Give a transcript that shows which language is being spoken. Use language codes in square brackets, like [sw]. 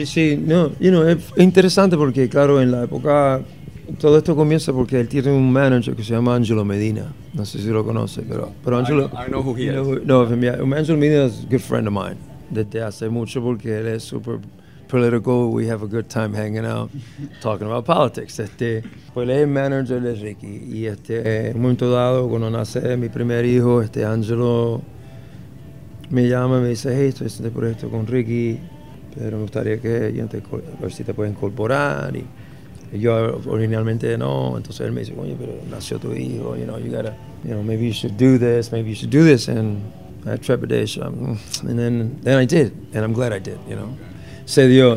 [es] Sí, no, [en] you know, [es] es interesante porque, claro, en la época todo esto comienza porque él tiene un manager que se llama Angelo Medina. No sé si lo conoce, pero Angelo. [en] I know who he is. No, Angelo Medina is a good friend of mine [es] desde hace mucho, porque él es [en] super political. We have a good time hanging out talking about politics. [es] Pues él es el manager de Ricky, y en un momento dado, cuando nace mi primer hijo, Angelo me llama y me dice: hey, estoy haciendo por esto con Ricky, pero me gustaría que a ver si te puedes incorporar. Y yo originalmente no. Entonces él me dice: oye, pero nació tu hijo, [en] you know, maybe you should do this, and I had trepidation, and then I did, and I'm glad I did, you know. [es] se dio.